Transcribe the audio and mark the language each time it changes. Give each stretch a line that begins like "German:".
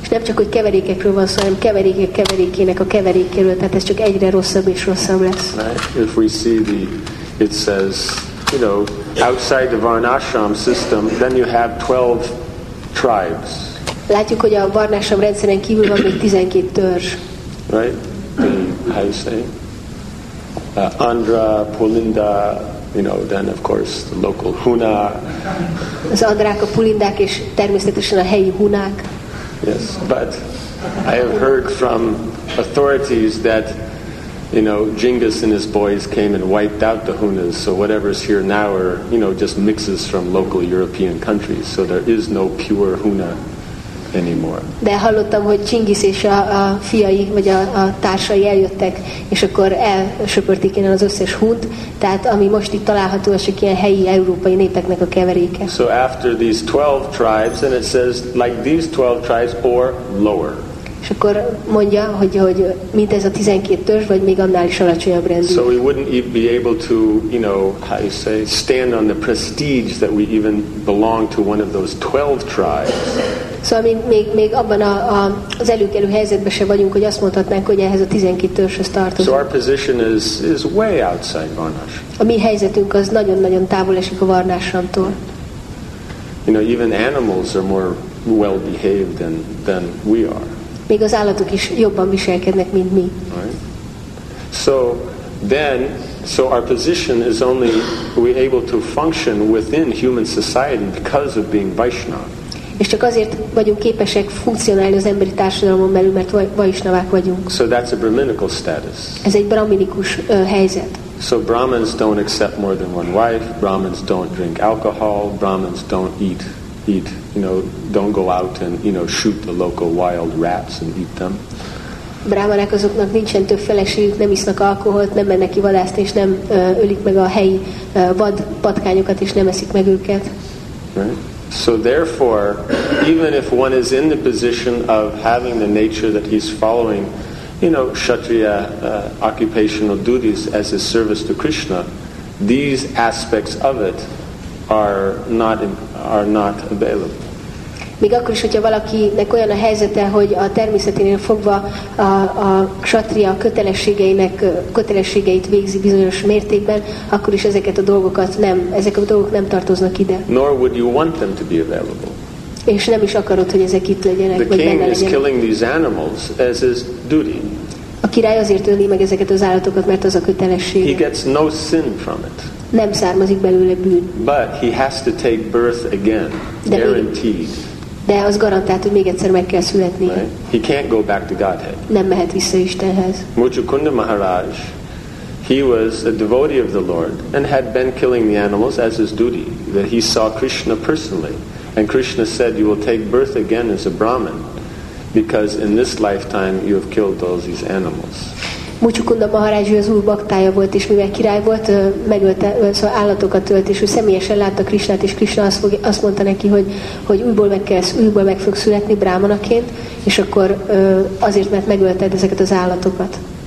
Hungarian: És nem csak hogy keverékekről van szó, hanem keverékek keverékének a keverékéről, tehát ez csak egyre rosszabb és rosszabb lesz.
English: Right, if we see the, it says, you know, outside the Varna Ashram system, then you have 12 tribes.
Hungarian: Látjuk, hogy a Varna Ashram rendszeren kívül van még 12 törzs.
English: Right? The, how you say? Andhra, Pulinda, you know, then of course the local Huna.
Hungarian: Az Andrák, a Pulindák és természetesen a helyi Hunák.
English: Yes, but I have heard from authorities that, you know, Genghis and his boys came and wiped out the Hunas, so whatever's here now are, you know, just mixes from local European countries, so there is no pure Huna anymore.
Hungarian: De hallottam, hogy Genghis és a fiai, vagy a társai eljöttek, és akkor elsöpörték innen az összes Hunt, tehát ami most itt található, az csak ilyen helyi európai népeknek a keveréke.
English: So after these 12 tribes, and it says, like these 12 tribes or lower.
Hungarian: És akkor mondja, hogy mint ez a 12 törzs, vagy még annál is alacsonyabb rendű.
English: So we wouldn't be able to, you know, how you say, stand on the prestige that we even belong to one of those 12 tribes.
Hungarian: Szóval még abban az előkelő helyzetben sem vagyunk, hogy azt mondhatnánk, hogy ehhez a 12 törzshöz tartozunk.
English: So our position is way outside Varna Ashram.
Hungarian: A mi helyzetünk az nagyon-nagyon távol esik a Varna Ashramtól.
English: You know, even animals are more well behaved than we are.
Hungarian: Még az állatok is jobban viselkednek, mint mi.
English: So our position is only we able to function within human society because of being Vaishnava.
Hungarian: És csak azért vagyunk képesek funkcionálni az emberi társadalmon belül, mert Vaishnavák vagyunk.
English: So that's a brahminical status.
Hungarian: Ez egy brahminikus helyzet.
English: So Brahmins don't accept more than one wife, Brahmins don't drink alcohol, Brahmins don't eat, you know, don't go out and, you know, shoot the local wild rats and eat them.
Hungarian: Brahmanák azoknak nincsen több feleségük, nem isznak alkoholt, nem mennek ki vadászni, és nem ölik meg a helyi vad patkányokat, és nem eszik meg őket.
English: Right. So therefore, even if one is in the position of having the nature that he's following, you know, kshatriya occupational duties as his service to Krishna, these aspects of it are not available.
Hungarian: Még akkor is, hogyha valakinek olyan a helyzete, hogy a természeténél fogva a kshatriya kötelességeit végzi bizonyos mértékben, akkor is ezek a dolgok nem tartoznak ide.
English: Nor would you want them to be available.
Hungarian: És nem is akarod, hogy ezek itt legyenek, vagy benne legyenek.
English: The king is killing these animals as his duty.
Hungarian: A király azért öli meg ezeket az állatokat, mert az a kötelessége.
English: He gets no sin from it.
Hungarian: Nem származik belőle bűn.
English: But he has to take birth again, guaranteed.
Hungarian: De az garantált, hogy még egyszer meg kell születnie.
English: Right? He can't go back to Godhead.
Hungarian: Nem mehet vissza Istenhez.
English: Mucchukunda Maharaj, he was a devotee of the Lord and had been killing the animals as his duty, that he saw Krishna personally. And Krishna said, you will take birth again as a Brahmin, because in this lifetime you have killed all these animals.
Hungarian: Mucsukunda Maharaj, ő az úr baktája volt, és mivel király volt, megölte, szóval állatokat ölt, és ő személyesen látta Krisnát, és Krisna azt mondta neki, hogy újból meg fog születni brámanaként, és akkor azért, mert megölted ezeket az állatokat.